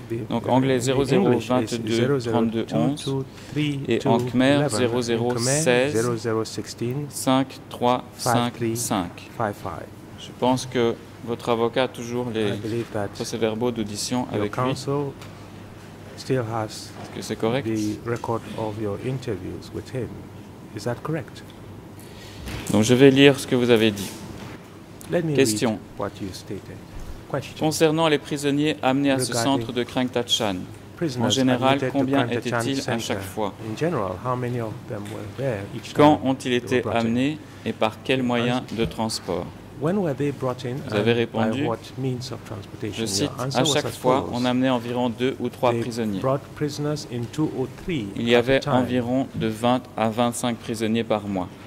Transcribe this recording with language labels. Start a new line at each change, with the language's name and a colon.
French: Donc anglais 00-22-32-11 et en Khmer 00-16-5-3-5-5. Je pense que votre avocat a toujours les procès-verbaux d'audition avec lui.
English: Still has the record of your interviews with him. Is that correct?
French: Donc je vais lire ce que vous avez dit.
English: Let me question. Read what you stated. Question.
French: Concernant les prisonniers amenés à ce centre de Krang Tachan, en général, combien étaient-ils à chaque fois?
English: In general, how many of them were there each time?
French: Quand ont-ils été amenés et par quels moyens de transport?
English: When were they brought in?
French: Vous avez répondu,
English: by what means of transportation?
French: Je cite, à chaque fois, on amenait environ 2 ou 3 prisonniers.
English: They brought prisoners in 2 or 3.
French: Il y avait environ de 20 à 25 prisonniers par mois.